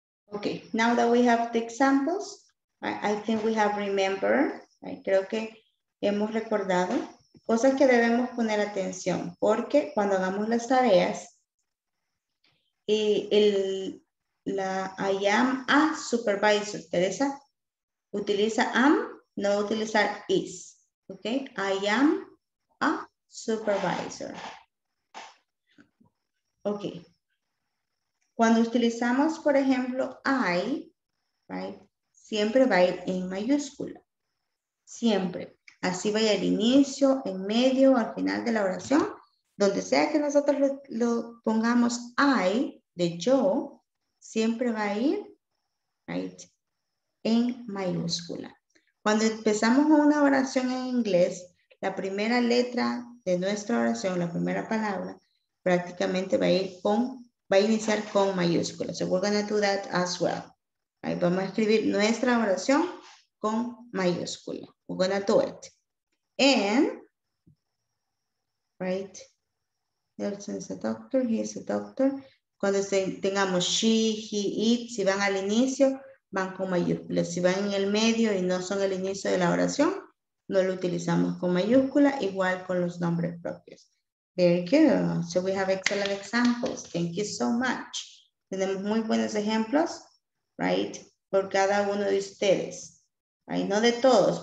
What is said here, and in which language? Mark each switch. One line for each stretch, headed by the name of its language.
English: Okay, now that we have the examples, I think we have remembered, right?
Spanish: Creo que hemos recordado. Cosas que debemos poner atención, porque cuando hagamos las tareas,
English: I am a supervisor.
Spanish: Teresa, utiliza am, no utilizar is.
English: Ok, I am a supervisor.
Spanish: Ok, cuando utilizamos, por ejemplo, I, right, siempre va a ir en mayúscula, siempre. Así vaya al inicio, en medio, al final de la oración, Donde sea que nosotros lo pongamos I, de yo, siempre va a ir, right, en mayúscula. Cuando empezamos una oración en inglés, la primera letra de nuestra oración, la primera palabra, prácticamente va a ir con, va a iniciar con mayúscula.
English: So we're going to do that as well.
Spanish: Ahí vamos a escribir nuestra oración con mayúscula.
English: We're going to do it. And, right, Nelson is a doctor, he is a doctor.
Spanish: Cuando tengamos she, he, it, si van al inicio, van con mayúscula. Si van en el medio y no son el inicio de la oración, no lo utilizamos con mayúscula, igual con los nombres propios.
English: Very good. So we have excellent examples. Thank you so much.
Spanish: Tenemos muy buenos ejemplos, right? Por cada uno de ustedes. Ay, no de todos.